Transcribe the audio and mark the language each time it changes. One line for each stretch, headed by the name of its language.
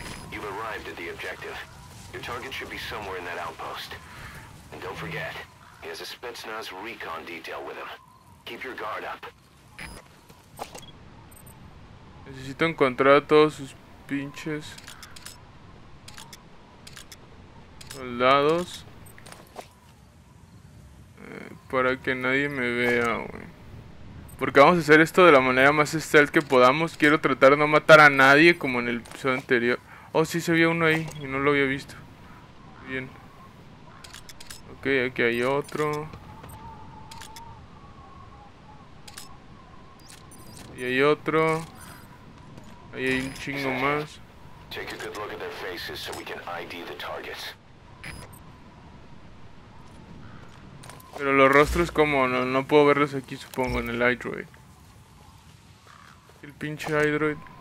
English: You've arrived at the objective. Your target should be somewhere in that outpost. And don't forget, he has a Spetsnaz recon detail with him. Keep your guard up.
Spanish: Necesito encontrar a todos sus pinches soldados para que nadie me vea, güey. Porque vamos a hacer esto de la manera más stealth que podamos. Quiero tratar de no matar a nadie como en el episodio anterior. Oh, sí, se vio uno ahí y no lo había visto. Bien. Ok, aquí hay otro. Y hay otro. Ahí hay un chingo más.
English: Take a good look at their faces so we can ID the targets.
Spanish: Pero los rostros, como no puedo verlos aquí, supongo, en el iDroid. El pinche iDroid.